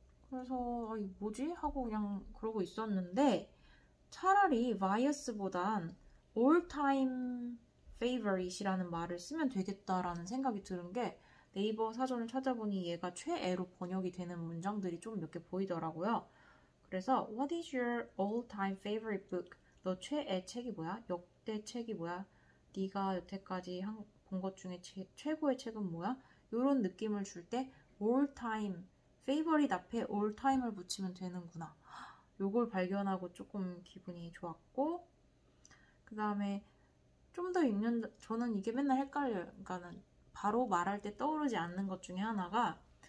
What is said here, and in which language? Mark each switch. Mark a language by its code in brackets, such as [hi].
[ko] 그래서 뭐지? 하고 그냥 그러고 있었는데 차라리 바이어스보단 all-time favorite이라는 말을 쓰면 되겠다라는 생각이 드는 게 네이버 사전을 찾아보니 얘가 최애로 번역이 되는 문장들이 좀 몇 개 보이더라고요. 그래서 [en] What is your all-time favorite book? [ko] 너 최애 책이 뭐야? 역대 책이 뭐야? 네가 여태까지 본 것 중에 최고의 책은 뭐야? 이런 느낌을 줄 때 all-time favorite 앞에 all-time을 붙이면 되는구나. 이걸 발견하고 조금 기분이 좋았고 그 다음에 좀 더 읽는 저는 이게 맨날 헷갈려요. 그러니까 바로 말할 때 떠오르지 않는 것 중에 하나가